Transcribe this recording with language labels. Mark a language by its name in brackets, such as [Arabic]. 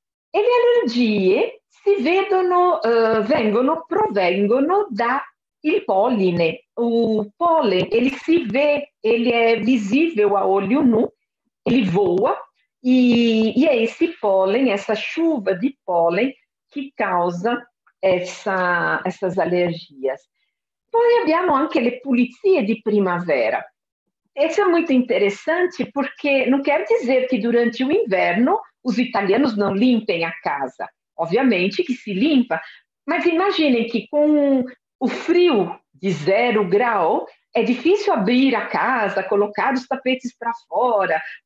[Italian] E le allergie si vedono, provengono da il polline, [Portuguese] o pollen, ele se vê, ele é visível a olho nu, ele voa, e é esse pólen, essa chuva de pólen, que causa essas alergias. [Italian] Poi abbiamo anche le pulizie di primavera. [Portuguese] Isso é muito interessante, porque não quer dizer que durante o inverno os italianos não limpem a casa. Obviamente que se limpa, mas imaginem que com o frio de zero grau, é difícil abrir a casa, colocar os tapetes para fora.